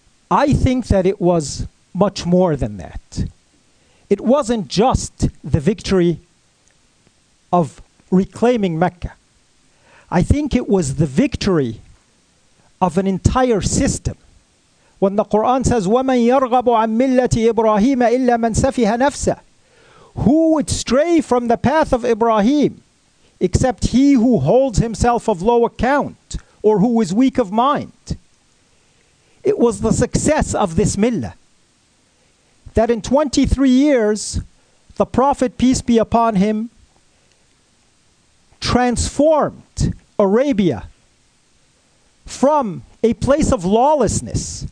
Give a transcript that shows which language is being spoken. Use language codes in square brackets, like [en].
[en] I think that it was much more than that. It wasn't just the victory of reclaiming Mecca. I think it was the victory of an entire system. When the Quran says, [ar] وَمَنْ يَرْغَبُ عَنْ مِلَّةِ إِبْرَاهِيمَ إِلَّا مَنْ سَفِهَ نَفْسَهُ. [en] Who would stray from the path of Ibrahim except he who holds himself of low account or who is weak of mind? It was the success of this millah. That in 23 years, the Prophet, peace be upon him, transformed Arabia from a place of lawlessness.